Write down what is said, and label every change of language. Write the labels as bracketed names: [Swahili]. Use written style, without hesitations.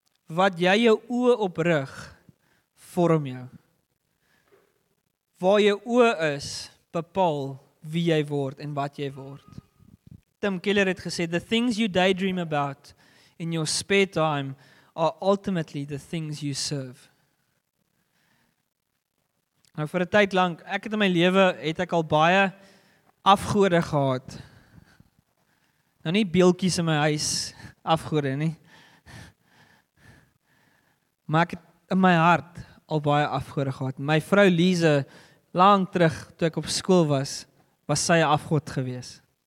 [Afrikaans] Wat jy jou oë op rig, vorm jou. Waar jou oë is, bepaal wie jy word en wat jy word. [English] Tim Keller [Afrikaans] het gesê, [English] "The things you daydream about in your spare time are ultimately the things you serve." [Afrikaans] Nou vir 'n tyd lank, ek het in my lewe, het ek al baie afgode gehad. Nou nie beeldjies in my huis, afgode nie. Maar ek het in my hart al baie afgode gehad. My vrou Lise, lang terug, toe ek op skool was, was sy 'n afgod gewees.